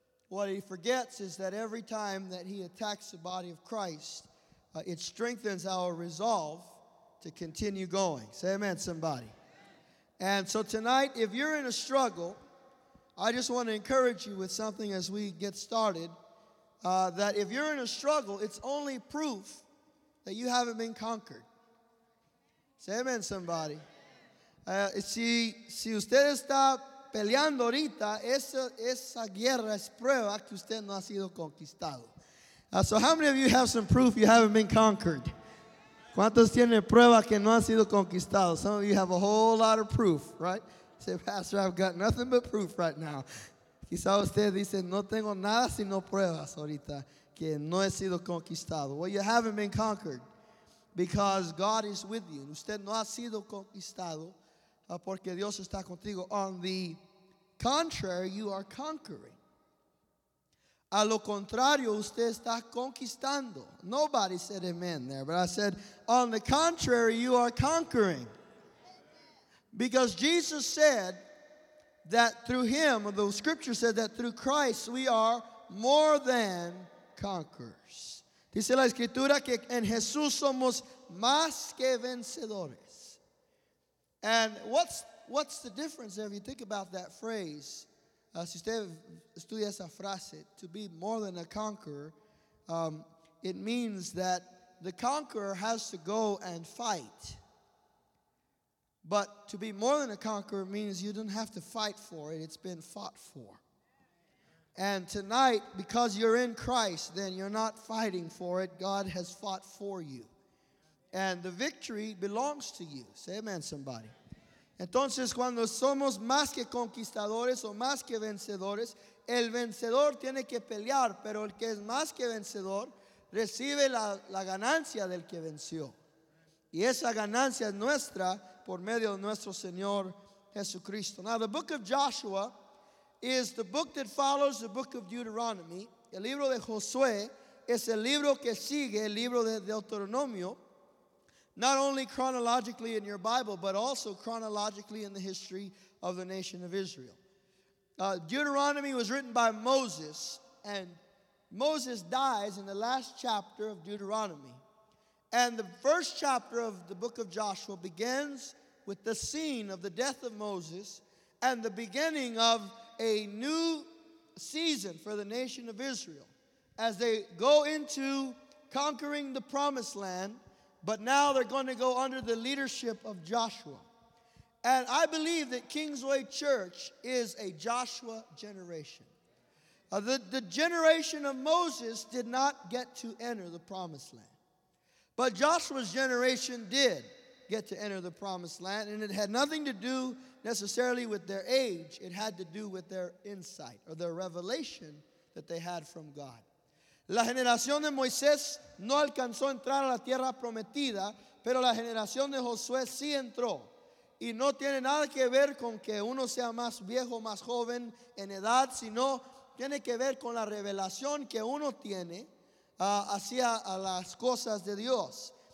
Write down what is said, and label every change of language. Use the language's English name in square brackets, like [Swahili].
[English] What he forgets is that every time that he attacks the body of Christ, it strengthens our resolve to continue going. Say amen, somebody. And so tonight, if you're in a struggle, I just want to encourage you with something as we get started, that if you're in a struggle, it's only proof that you haven't been conquered. Say amen, somebody. [Spanish] Si usted está peleando ahorita, esa guerra es prueba que usted no ha sido conquistado. [English] So how many of you have some proof you haven't been conquered? [Spanish] ¿Cuántos tienen prueba que no han sido conquistados? [English] Some of you have a whole lot of proof, right? Say, Pastor, I've got nothing but proof right now. [Spanish] Quizá usted dice, no tengo nada sino pruebas ahorita. Que no he sido conquistado. [English] Well, you haven't been conquered because God is with you. [Spanish] Usted no ha sido conquistado porque Dios está contigo. [English] On the contrary, you are conquering. [Spanish] A lo contrario, usted está conquistando. [English] Nobody said amen there, but I said, on the contrary, you are conquering. Because Jesus said that through him, the scripture said that through Christ, we are more than conquerors. [Spanish] Dice la escritura que en Jesús somos más que vencedores. [English] And what's the difference there? If you think about that phrase, [Spanish] si usted estudia esa frase, [English] to be more than a conqueror, it means that the conqueror has to go and fight. But to be more than a conqueror means you don't have to fight for it. It's been fought for. And tonight, because you're in Christ, then you're not fighting for it. God has fought for you. And the victory belongs to you. Say amen, somebody. [Spanish] Entonces, cuando somos más que conquistadores o más que vencedores, el vencedor tiene que pelear, pero el que es más que vencedor recibe la ganancia del que venció. Y esa ganancia es nuestra por medio de nuestro Señor Jesucristo. [English] Now, the book of Joshua is the book that follows the book of Deuteronomy. [Spanish] El libro de Josué es el libro que sigue el libro de Deuteronomio. [English] Not only chronologically in your Bible, but also chronologically in the history of the nation of Israel. Deuteronomy was written by Moses, and Moses dies in the last chapter of Deuteronomy. And the first chapter of the book of Joshua begins with the scene of the death of Moses and the beginning of a new season for the nation of Israel as they go into conquering the promised land, but now they're going to go under the leadership of Joshua. And I believe that Kingsway Church is a Joshua generation. The generation of Moses did not get to enter the promised land, but Joshua's generation did get to enter the promised land, and it had nothing to do necessarily with their age. It had to do with their insight or their revelation that they had from God. [Spanish] La generación de Moisés no alcanzó a entrar a la tierra prometida, pero la generación de Josué sí entró. Y no tiene nada que ver con que uno sea más viejo, más joven en edad, sino tiene que ver con la revelación que uno tiene hacia las cosas de Dios.